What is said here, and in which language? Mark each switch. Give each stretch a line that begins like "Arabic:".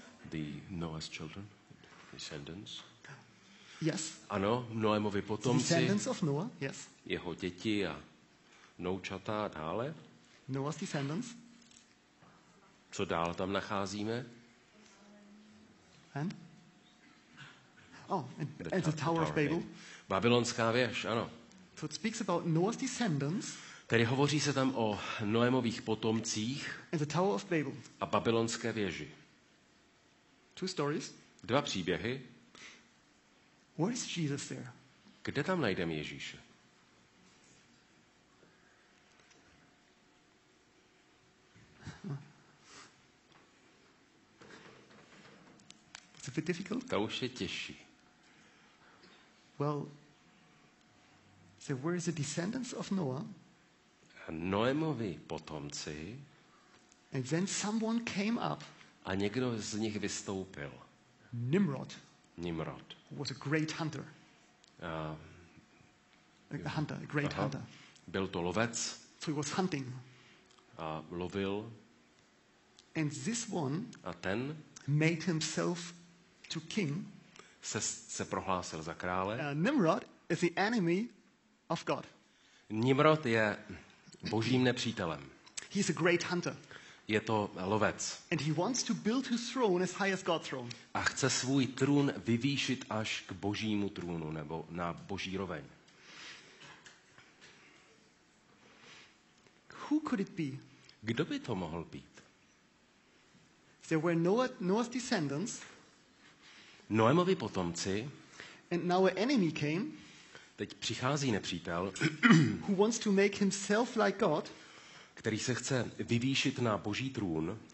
English: The Noah's children, descendants. Yes.
Czech: Ano, Noémovi potomci.
English: The descendants of Noah, yes.
Czech: Jeho děti a noučata a dále.
English: Noah's descendants.
Czech: Co dál tam nacházíme?
English: And? Oh, and the Tower of Babel.
Czech: Babylonská věž, ano.
English: So it speaks about Noah's descendants.
Czech: Tedy hovoří se tam o Noémových potomcích
English: and the Tower of Babel.
Czech: A babylonské věži.
English: Two stories.
Czech: Dva příběhy.
English: Where is Jesus there?
Czech: Kde tam najdeme Ježíše?
English: It's a bit difficult.
Czech: To už je těžší.
English: Well, so where is the descendants of Noah?
Czech: Noémovi potomci.
English: And then someone came up.
Czech: A někdo z nich vystoupil.
English: Nimrod.
Czech: Nimrod.
English: Who was a great hunter. A great hunter.
Czech: Byl to lovec.
English: So he was hunting.
Czech: A lovil.
English: And this one.
Czech: A ten.
English: Made himself to king.
Czech: Se prohlásil za krále.
English: Nimrod is the enemy of God.
Czech: Nimrod je božím nepřítelem.
English: He's a great hunter.
Czech: Je to lovec.
English: And he wants to build his throne as high as God's throne.
Czech: A chce svůj trůn vyvýšit až k božímu trůnu nebo na boží roveň.
English: Who could it be?
Czech: Kdo by to mohl být?
English: There were Noah's descendants.
Czech: Noémovi potomci.
English: And now an enemy came.
Czech: Teď přichází nepřítel.
English: Who wants to make himself like God?
Czech: Který se chce vyvýšit na boží trůn.